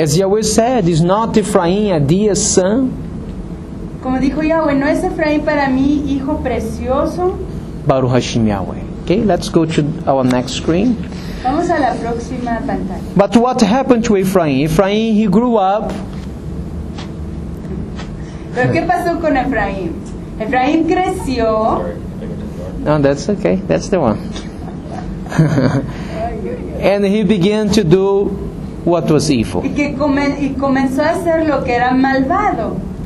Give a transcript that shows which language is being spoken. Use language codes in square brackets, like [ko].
[en] As Yahweh said, is not Ephraim a dear son? [es] Como dijo Yahweh, ¿no es Ephraim para mí hijo precioso? [he] Baruch Hashem Yahweh. [en] Okay, let's go to our next screen. [es] Vamos a la próxima pantalla. [en] But what happened to Ephraim? Ephraim, he grew up. [es] ¿Pero qué pasó con Ephraim? Ephraim creció. [en] No, that's okay. That's the one. And he began to do what was evil. [es] Y comenzó a hacer lo que era malvado.